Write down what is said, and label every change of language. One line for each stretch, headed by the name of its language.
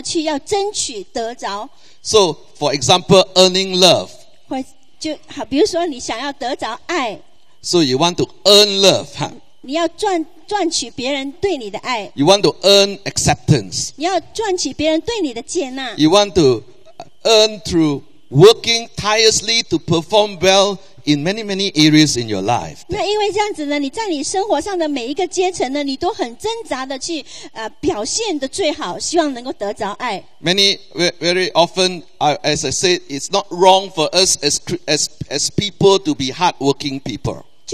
Chinese: 那因为你一直要表现了，你就会很挣扎的去要争取得着。
English: So for example, earning love.
Chinese: 就好，比如说你想要得着爱。
English: So you want to earn love, huh?
Chinese: 你要赚取别人对你的爱。
English: You want to earn acceptance.
Chinese: 你要赚取别人对你的接纳。
English: You want to earn through working tirelessly to perform well in many, many areas in your life.
Chinese: 那因为这样子呢，你在你生活上的每一个阶层呢，你都很挣扎的去 表现得最好， 希望能够得着爱。
English: Many, very often, as I said, it's not wrong for us as people to be hardworking people.